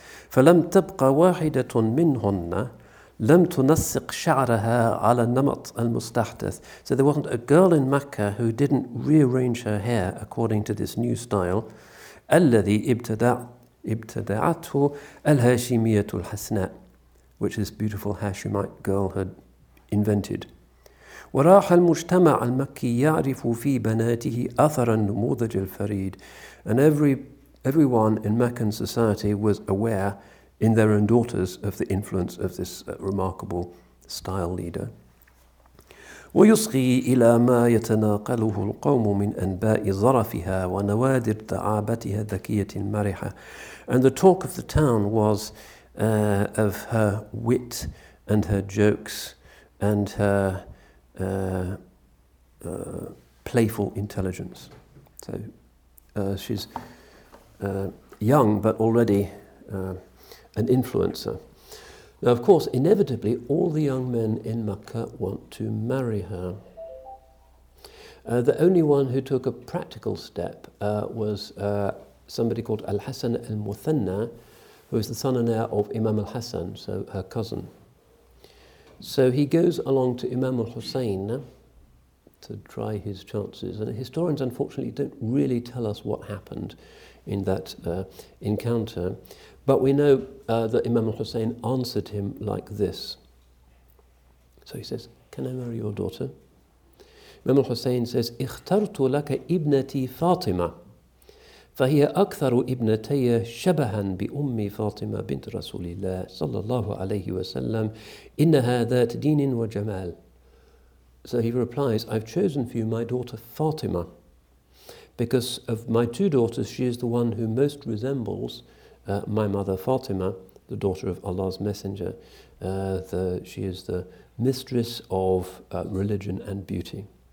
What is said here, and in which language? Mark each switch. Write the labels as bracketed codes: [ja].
[ar] فَلَمْ تَبْقَ وَاحِدَةٌ مِّنْهُنَّ لَمْ تُنَسِّقْ شَعْرَهَا عَلَى النَّمَطِ الْمُسْتَحْدَثِ. [en] So there wasn't a girl in Mecca who didn't rearrange her hair according to this new style. [ar] أَلَّذِي ابْتَدَعَتْهُ الْهَاشِمِيَةُ الْحَسْنَاءِ, [en] which this beautiful Hashemite girl had invented. [ar] وراح المجتمع المكي يعرف في بناته أثر النموذج الفريد. [en] And everyone in Meccan society was aware in their own daughters of the influence of this remarkable style leader. [ar] ويصغي إلى ما يتناقله القوم من أنباء ظرفها ونوادر تعابتها الذكية المرحة. [en] And the talk of the town was of her wit and her jokes and her playful intelligence. So she's young but already an influencer. Now, of course, inevitably, all the young men in Makkah want to marry her. The only one who took a practical step was somebody called al-Hassan al-Muthanna, who is the son and heir of Imam al-Hassan, so her cousin. So he goes along to Imam al-Hussein to try his chances. And historians, unfortunately, don't really tell us what happened in that encounter. But we know that Imam al-Hussein answered him like this. So he says, can I marry your daughter? Imam al-Hussein says, [ar] اخترتُ لك ابنتي فاطمة فهي أكثر ابنتي شبها بأمي فاطمة بنت رسول الله صلى الله عليه وسلم إنها ذات دين وجمال. [en] So he replies, I've chosen for you my daughter Fatima because of my two daughters, she is the one who most resembles my mother Fatima, the daughter of Allah's messenger. She is the mistress of religion and beauty.